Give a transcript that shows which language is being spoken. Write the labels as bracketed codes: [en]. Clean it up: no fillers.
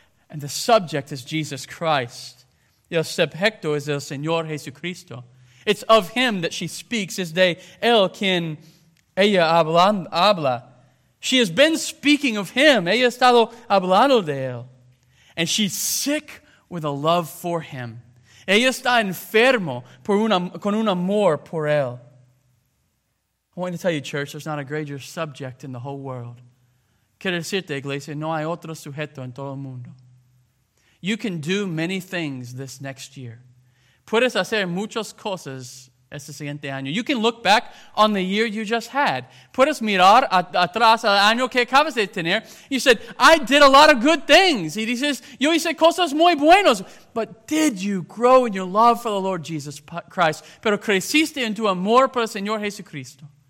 [en] And the subject is Jesus Christ. [es] El subjecto es el Señor Jesucristo. [en] It's of him that she speaks. [es] Es de él quien ella habla. [en] She has been speaking of him. [es] Ella ha estado hablando de él. [en] And she's sick with a love for him. [es] Ella está enfermo con un amor por él. [en] I want to tell you, church, there's not a greater subject in the whole world. [es] Quiero decirte, iglesia, no hay otro sujeto en todo el mundo. [en] You can do many things this next year. [es] Puedes hacer muchas cosas este siguiente año. [en] You can look back on the year you just had. [es] Puedes mirar atrás al año que acabas de tener. [en] You said, I did a lot of good things. [es] Y dices, yo hice cosas muy buenas. [en] But did you grow in your love for the Lord Jesus Christ? [es] Pero creciste en tu amor por el Señor Jesucristo.